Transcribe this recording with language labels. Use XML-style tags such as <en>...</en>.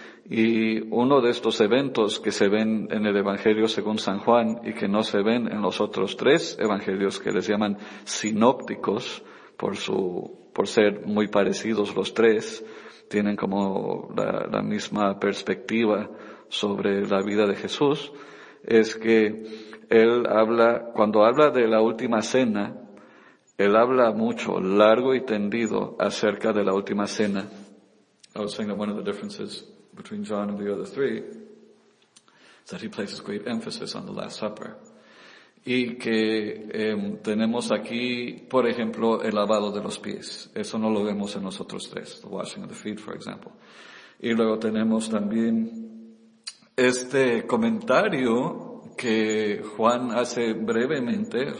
<es>Y uno de estos eventos que se ven en el Evangelio según San Juan y que no se ven en los otros tres evangelios, que les llaman sinópticos por ser muy parecidos los tres, tienen como la misma perspectiva sobre la vida de Jesús, es que él habla, cuando habla de la última cena, él habla mucho, largo y tendido, acerca de la última cena.</es> <en>I was saying that one of the differences between John and the other three is that he places great emphasis on the Last Supper.</en> <es>Y que tenemos aquí, por ejemplo, el lavado de los pies. Eso no lo vemos en los otros tres,</es> <en>the washing of the feet, for example.</en> <es>Y luego tenemos también este comentario que Juan hace brevemente.</es>